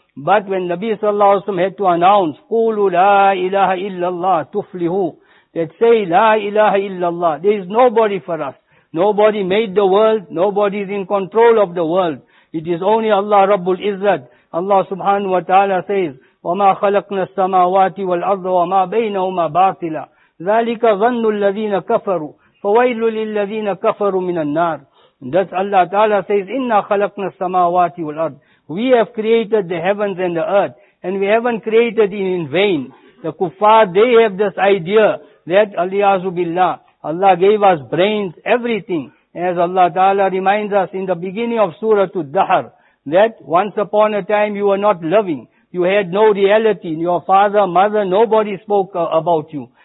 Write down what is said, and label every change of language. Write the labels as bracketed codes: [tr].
[en] But when Nabi Sallallahu Alaihi Wasallam had to announce, [ar] قُولُ لَا إِلَهَ إِلَّا اللَّهِ تُفْلِهُ, [en] that say, [ar] لَا إِلَهَ إِلَّا اللَّهِ, [en] there is nobody for us. Nobody made the world, nobody is in control of the world. It is only Allah Rabbul Izzat. Allah Subhanahu Wa Ta'ala says, [ar] وَمَا خَلَقْنَا السَّمَاوَاتِ وَالْأَرْضَ وَمَا بَيْنَهُمَا بَاطِلًا ذَلِكَ ظَنُّ الَّذِينَ كَفَرُوا فَوَيْلُ لِلَّذِينَ كَفَرُوا مِنَ النَّارِ. [en] And thus Allah Ta'ala says, [ar] إِنَّا خَلَقْنَا السَّمَاوَاتِ وَالْأَرْضَ, [en] we have created the heavens and the earth, and we haven't created it in vain. The kuffar, they have this idea that, Aliyazu Billah, Allah gave us brains, everything. As Allah Ta'ala reminds us in the beginning of Surah Ad-Dahr, that once upon a time you were not loving, you had no reality, your father, mother, nobody spoke about you.